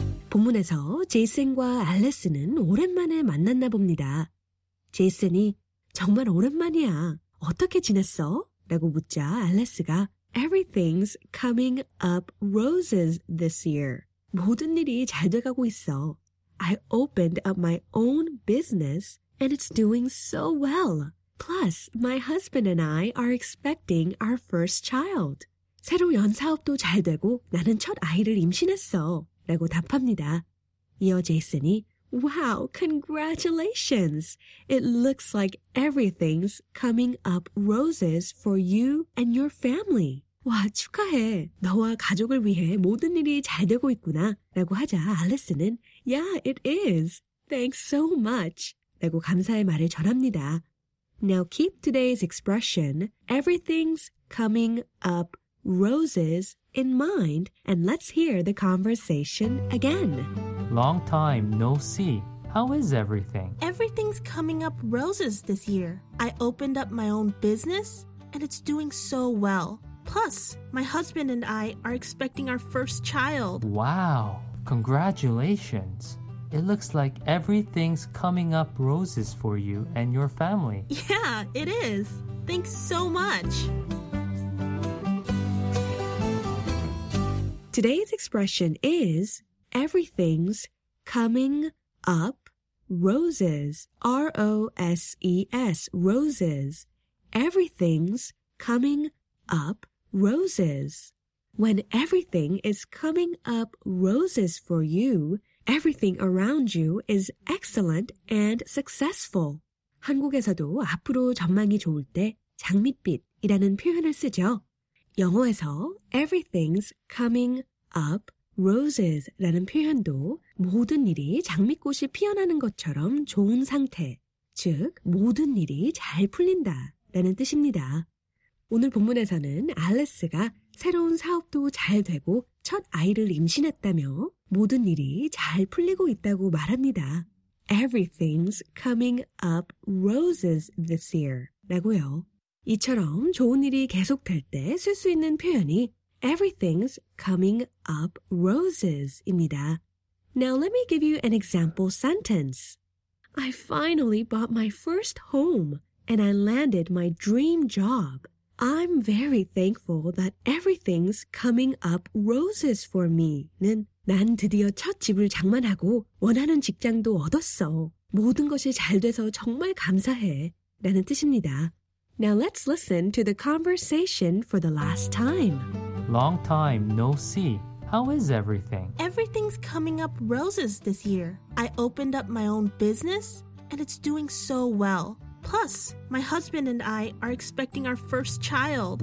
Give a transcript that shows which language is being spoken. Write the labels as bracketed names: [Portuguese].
[Korean] 본문에서 제이슨과 알리슨은 오랜만에 만났나 봅니다. 제이슨이 정말 오랜만이야. 어떻게 지냈어? 라고 묻자 알리스가 [English] Everything's coming up roses this year. [Korean] 모든 일이 잘 돼가고 있어. [English] I opened up my own business and it's doing so well. Plus, my husband and I are expecting our first child. [Korean] 새로 연 사업도 잘 되고 나는 첫 아이를 임신했어 라고 답합니다. 이어 제이슨이 [English] Wow, congratulations! It looks like everything's coming up roses for you and your family. [Korean] 와, 축하해. 너와 가족을 위해 모든 일이 잘 되고 있구나 라고 하자 알리슨은 [English] Yeah, it is. Thanks so much. [Korean] 라고 감사의 말을 전합니다. [English] Now keep today's expression, everything's coming up roses in mind, and let's hear the conversation again. Long time no see. How is everything? Everything's coming up roses this year. I opened up my own business, and it's doing so well. Plus, my husband and I are expecting our first child. Wow, congratulations. It looks like everything's coming up roses for you and your family. Yeah, it is. Thanks so much. Today's expression is everything's coming up roses. R-O-S-E-S, roses. Everything's coming up roses. When everything is coming up roses for you, everything around you is excellent and successful. [Korean] 한국에서도 앞으로 전망이 좋을 때 장밋빛이라는 표현을 쓰죠. 영어에서 [English] everything's coming up roses [Korean] 라는 표현도 모든 일이 장미꽃이 피어나는 것처럼 좋은 상태, 즉 모든 일이 잘 풀린다라는 뜻입니다. 오늘 본문에서는 알레스가 새로운 사업도 잘 되고 첫 아이를 임신했다며 모든 일이 잘 풀리고 있다고 말합니다. [English] Everything's coming up roses this year [Korean] 라고요. 이처럼 좋은 일이 계속될 때 쓸 수 있는 표현이 [English] Everything's coming up roses [Korean] 입니다. [English] Now let me give you an example sentence. I finally bought my first home and I landed my dream job. I'm very thankful that everything's coming up roses for me. [Korean] 는 난 드디어 첫 집을 장만하고 원하는 직장도 얻었어. 모든 것이 잘 돼서 정말 감사해. 라는 뜻입니다. [English] Now let's listen to the conversation for the last time. Long time no see. How is everything? Everything's coming up roses this year. I opened up my own business and it's doing so well. Plus, my husband and I are expecting our first child.